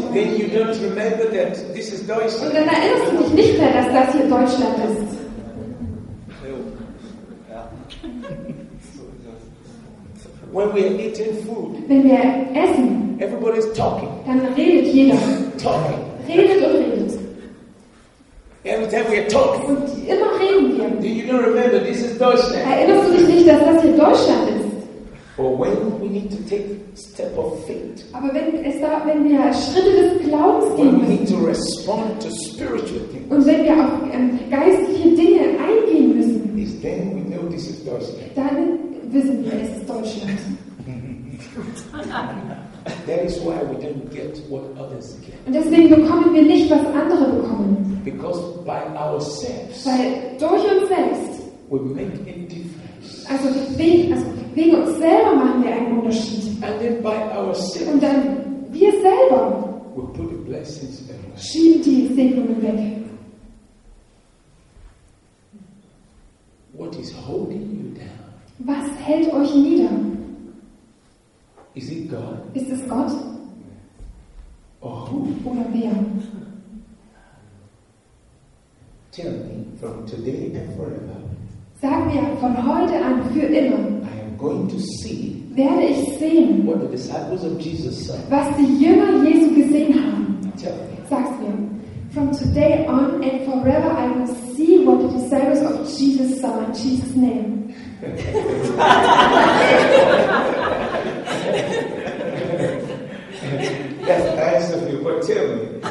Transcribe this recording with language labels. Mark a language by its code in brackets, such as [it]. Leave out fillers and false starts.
[en] Then you don't remember that this is Deutschland. [de] Und dann erinnerst du dich nicht mehr, dass das hier Deutschland ist. [en] When we are eating food, [de] wenn wir essen, [en] everybody's talking. [de] Dann redet jeder. [en] Talking. [de] Redet und redet. [en] Every time we are talking. [de] Und immer reden wir. [en] Do you not remember this is Deutschland? [de] Erinnerst du dich nicht, dass das hier Deutschland ist? [en] But when we need to take step of faith, [de] aber wenn es da, wenn wir Schritte des Glaubens gehen, [en] we need to respond to spiritual things, [de] und wenn wir auf geistliche Dinge eingehen müssen, [en] is then we know this is Deutschland. [de] Dann wissen wir, es ist Deutschland. [en] That is why we don't get what others get. [de] Und deswegen bekommen wir nicht, was andere bekommen. [en] Because by ourselves, [de] weil durch uns selbst, [en] we make a difference. [de] Also wegen uns selber machen wir einen Unterschied. [en] And then by ourselves, [de] und dann wir selber, [en] we put the blessings away. [de] Schieben die Segnungen weg. [en] What is holding you down? [de] Was hält euch nieder? [en] Is it God? [de] Ist es Gott? [en] Or who? [de] Oder wer? [en] Tell me from today and forever. [de] Sag mir von heute an für immer. [en] I am going to see. [de] Werde ich sehen. [en] What the disciples of Jesus saw. [de] Was die Jünger Jesu gesehen haben. [en] Tell me. [de] Sag's mir. [en] From today on and forever, I will see what the disciples of Jesus saw in Jesus' name. That's nice of you, but tell me.